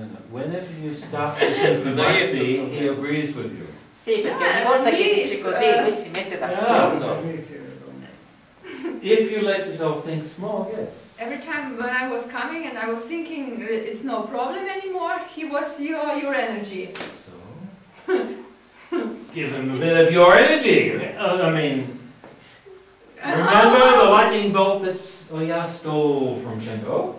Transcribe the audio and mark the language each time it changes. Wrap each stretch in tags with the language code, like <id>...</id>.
<en>Whenever you start to say that, he agrees with you.</en> <it>Sì, perché ogni volta che dici così, lui si mette d'accordo.</it> <en>If you let yourself think small, yes. Every time when I was coming and I was thinking it's no problem anymore, he was your energy. So, give him a bit of your energy. I mean, remember the lightning bolt that's Oh, yeah, stole from Shango.</en>